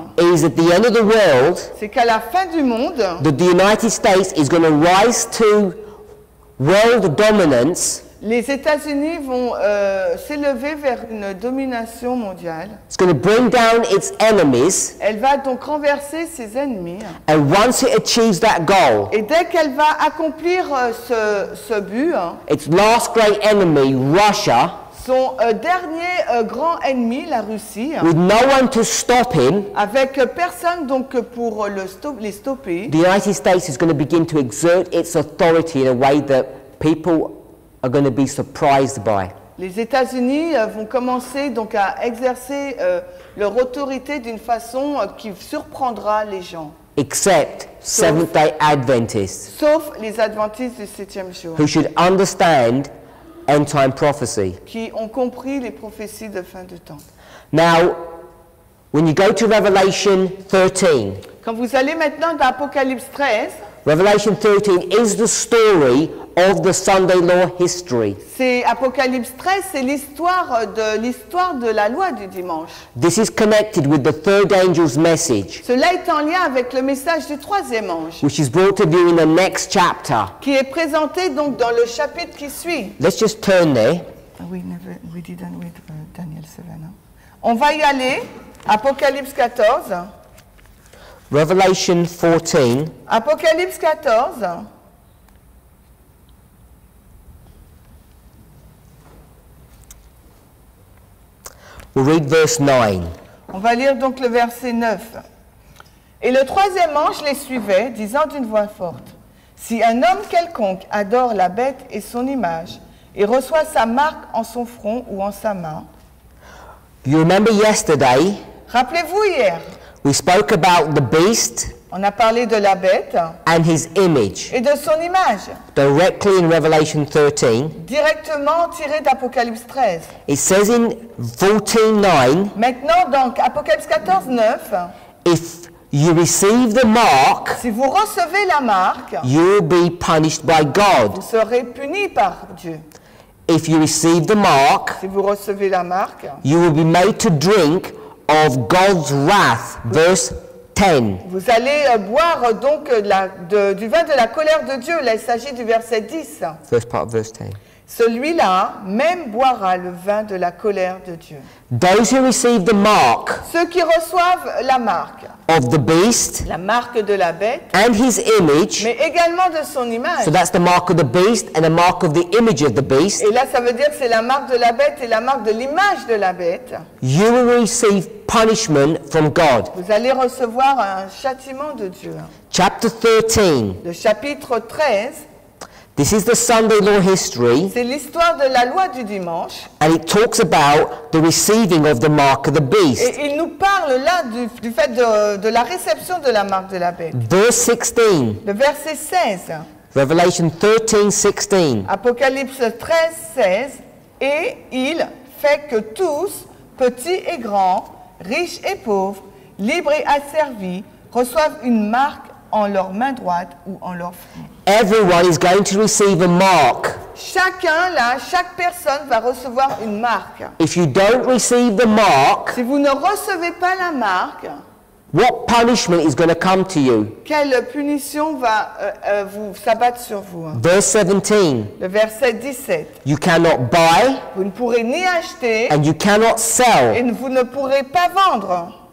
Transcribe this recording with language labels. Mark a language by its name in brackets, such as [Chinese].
[English] is at the end of the world, [French] c'est qu'à la fin du monde, [English] that the United States is going to rise to world dominance. [French] Les États-Unis vont s'élever vers une domination mondiale. [English] It's going to bring down its enemies. [French] Elle va donc renverser ses ennemis. [English] And once it achieves that goal, [French] et dès qu'elle va accomplir ce but, [English] its last great enemy, Russia. [French] Son dernier grand ennemi, la Russie, [English] with no one to stop him, [French] avec personne donc pour les stopper. [English] The United States is going to begin to exert its authority in a way that people are going to be surprised by. [French] Les États-Unis vont commencer donc à exercer leur autorité d'une façon qui surprendra les gens. [English] Except Seventh-day Adventists, [French] sauf les Adventistes du septième jour, [English] who should understand end time prophecy. [French] Qui ont compris les prophéties de fin de temps. [English] Now, when you go to Revelation 13. [French] Quand vous allez maintenant dans Apocalypse 13. [English] Revelation 13 is the story of the Sunday law history. [French] C'est Apocalypse 13, c'est l'histoire de la loi du dimanche. [English] This is connected with the third angel's message. [French] Cela est en lien avec le message du troisième ange. [English] Which is brought to view in the next chapter. [French] Qui est présenté donc dans le chapitre qui suit. [English] Let's just turn there. We didn't read Daniel 7. Huh? [French] On va y aller, Apocalypse 14. [English] Revelation 14. [French] Apocalypse 14. [English] We'll read verse 9. [French] On va lire donc le verset 9. Et le troisième ange les suivait, disant d'une voix forte, « Si un homme quelconque adore la bête et son image, et reçoit sa marque en son front ou en sa main. » [English] You remember yesterday? [French] Rappelez-vous hier. [English] We spoke about the beast. [French] On a parlé de la bête. [English] And his image. [French] Et de son image. [English] Directly in Revelation 13. [French] Directement tiré d'Apocalypse 13. [English] It says in 14:9. [French] Maintenant donc Apocalypse 14:9. [English] If you receive the mark. [French] Si vous recevez la marque. [English] You will be punished by God. [French] Vous serez puni par Dieu. [English] If you receive the mark. [French] Si vous recevez la marque. [English] You will be made to drink of God's wrath, verse 10. [French] Vous allez boire donc du vin de la colère de Dieu. Là, il s'agit du verset 10. [English] First part of verse 10. [French] Celui-là même boira le vin de la colère de Dieu. [English] Those who receive the mark. [French] Ceux qui reçoivent la marque. [English] Of the beast. [French] La marque de la bête. [English] And his image. [French] Mais également de son image. [English] So that's the mark of the beast and the mark of the image of the beast. [French] Et là, ça veut dire que c'est la marque de la bête et la marque de l'image de la bête. [English] You will receive punishment from God. [French] Vous allez recevoir un châtiment de Dieu. [English] Chapter 13. [French] Le chapitre 13. [English] This is the Sunday law history. [French] C'est l'histoire de la loi du dimanche. [English] And it talks about the receiving of the mark of the beast. [French] Et il nous parle là du fait de la réception de la marque de la bête. [English] Verse 16. [French] Le verset 16. [English] Revelation 13:16. [French] Apocalypse 13:16. Et il fait que tous, petits et grands, riches et pauvres, libres et asservis, reçoivent une marque en leur main droite ou en leur front. [English] Everyone is going to receive a mark. [French] Chacun là, chaque personne va recevoir une marque. [English] If you don't receive the mark, [French] si vous ne recevez pas la marque, [English] What punishment is going to come to you? [French] Quelle punition va vous s'abattre sur vous? [English] Verse 17. [French] Le verset 17. [English] You cannot buy. [French] Vous ne pourrez ni acheter. [English] And you cannot sell. [French] Et vous ne pourrez pas vendre.